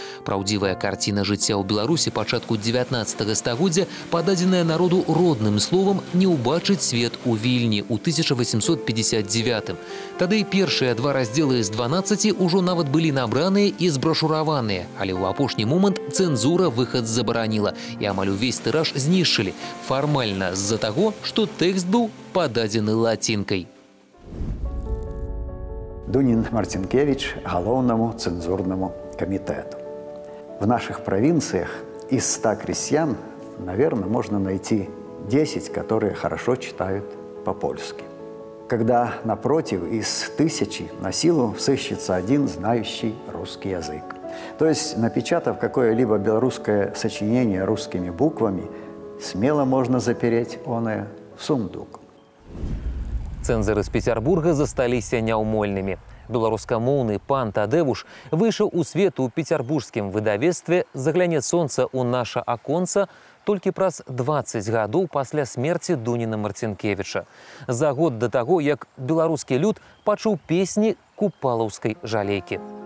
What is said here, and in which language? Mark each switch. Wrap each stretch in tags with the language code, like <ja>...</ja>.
<be>Праўдзівая карціна жыцця ў Беларусі пачатку 19-го стагоддзя, пададзеная народу родным словам, не ўбачыць свет у Вільні ў 1859-м. Тады першыя два раздзелы з 12 ўжо нават былі набраныя і збрашураваныя, але ў апошні момант цэнзура выхад забараніла, і амаль увесь тыраж знішчылі, фармальна з-за таго, што тэкст быў пададзены лацінкай.</be> <ru>Дунін Марцінкевич Головному цензурному комітету. В наших провинциях из 100 крестьян, наверное, можно найти 10, которые хорошо читают по-польски. Когда напротив из 1000 на силу сыщется один, знающий русский язык. То есть, напечатав какое-либо белорусское сочинение русскими буквами, смело можно запереть оное в сундук.</ru> <be>Цензоры из Петербурга застались неумольными. Беларускамоўны пан Тадэвуш выйшаў у свет у петербургскім выдавецтве «Загляне сонца ў наша аконца» толькі праз 20 гадоў пасля смерці Дуніна Марцінкевіча. За год да таго, як беларускі люд пачуў песні купалаўскай жалейкі.</be>